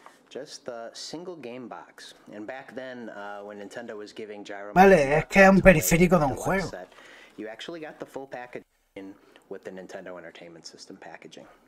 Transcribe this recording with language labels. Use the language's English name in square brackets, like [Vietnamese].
[English] Just the single game box. And back then, when Nintendo was giving Gyro... [Spanish] Vale, es que es un periférico de un juego. [English] You actually got the full package with the Nintendo Entertainment System packaging.